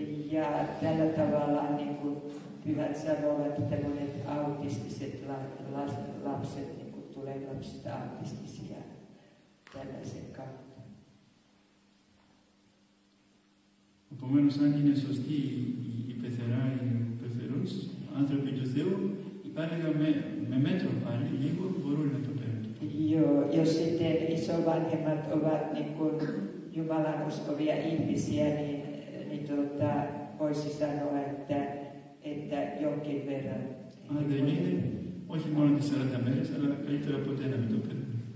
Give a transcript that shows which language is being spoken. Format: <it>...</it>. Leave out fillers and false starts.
<fi>Ja tällä tavalla niin kuin hyvät sanovat, että monet autistiset lapset tulevat sitä autistisia tällaisen kautta.</fi> <el>Επομένως, αν είναι σωστή η πεθερά ή ο πεθερός, άνθρωποι του Θεού, υπάρχει με μέτρο πάλι, λίγο μπορούν να το παίρνουν.</el> <fi>Jos sitten isovanhemmat ovat Jumalan uskovia ihmisiä, niin voisi sanoa, että jonkin verran.</fi> <el>Αν δεν είναι, όχι μόνο τις 40 μέρες, αλλά καλύτερα ποτέ να μην το παίρνουν.</el>